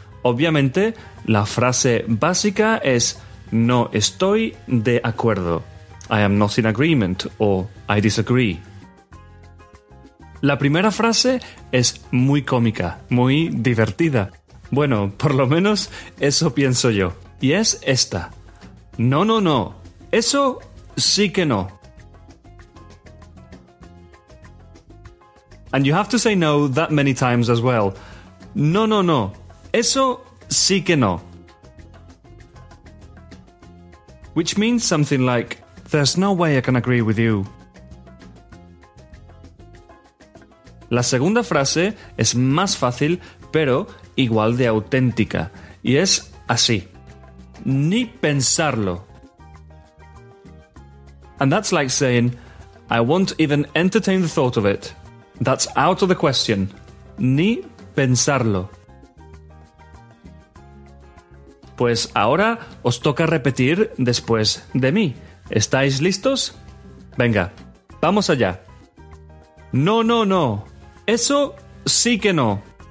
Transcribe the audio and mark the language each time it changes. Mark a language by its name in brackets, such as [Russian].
[Spanish] Obviamente, la frase básica es no estoy de acuerdo. [English] I am not in agreement o I disagree. [Spanish] La primera frase es muy cómica, muy divertida. Bueno, por lo menos eso pienso yo. Y es esta. No, no, no. Eso sí que no. [English] And you have to say no that many times as well. [Spanish] No, no, no. Eso sí que no. [English] Which means something like, there's no way I can agree with you. [Spanish] La segunda frase es más fácil, pero igual de auténtica. Y es así. Ni pensarlo. [English] And that's like saying, I won't even entertain the thought of it. That's out of the question. [Spanish] Ni pensarlo. Pues ahora os toca repetir después de mí. ¿Estáis listos? Venga, vamos allá. No, no, no. Eso sí que no.